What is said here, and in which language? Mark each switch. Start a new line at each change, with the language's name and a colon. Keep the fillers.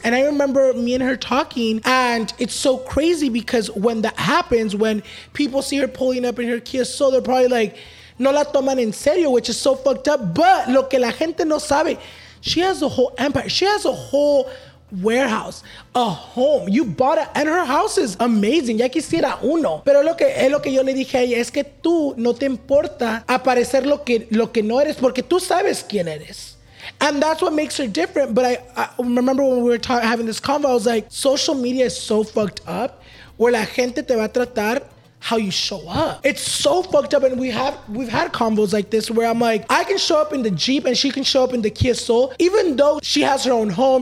English: And I remember me and her talking. And it's so crazy because when that happens, when people see her pulling up in her Kia Soul, they're probably like,
Spanish: no la toman en serio,
English: which is so fucked up. But
Spanish: lo que la gente no sabe,
English: she has a whole empire. She has a whole warehouse, a home. You bought it, and her house is amazing.
Spanish: Ya quisiera uno. Pero lo que es lo que yo le dije a ella es que tú no te importa aparecer lo que lo que no eres porque tú sabes quién eres.
English: And that's what makes her different. But I, I remember when we were ta- having this convo, I was like, social media is so fucked up where
Spanish: la gente te va a tratar
English: how you show up. It's so fucked up, and we have we've had combos like this where I'm like, I can show up in the Jeep and she can show up in the Kia Soul, even though she has her own home.